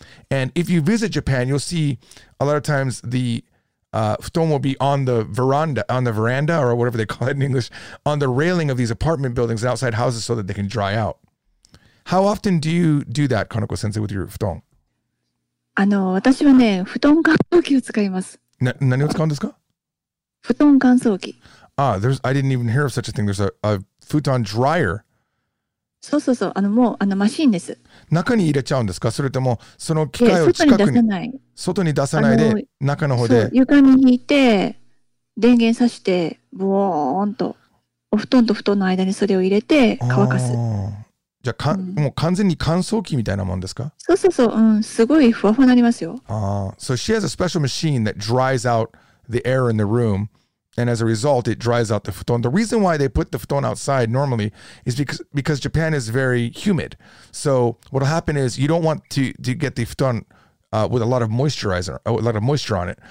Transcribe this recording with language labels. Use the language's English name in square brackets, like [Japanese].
[English] And if you visit Japan, you'll see a lot of times the futon will be on the veranda or whatever they call it in English, on the railing of these apartment buildings and outside houses so that they can dry out. How often do you do that, Kaneko-sensei, with your futon? [Japanese] 私はね、布団乾燥機を使います。何を使うんですか？布団乾燥機。 [English] I didn't even hear of such a thing. There's a futon dryer. [Japanese] そうそうそう、もうマシンです。中に入れちゃうんですか？それともその機械を近くに外に出さないで中の方で床に引いて電源さしてボーンとお布団と布団の間にそれを入れて乾かす。じゃあか、うん、もう完全に乾燥機みたいなもんですか？そうそうそう、うん、すごいふわふわになりますよ。 [English] So she has a special machine that dries out the air in the room. And as a result, it dries out the futon. The reason why they put the futon outside normally is because Japan is very humid. So what will happen is you don't want to get the futon with a lot of moisturizer, a lot of moisture on it.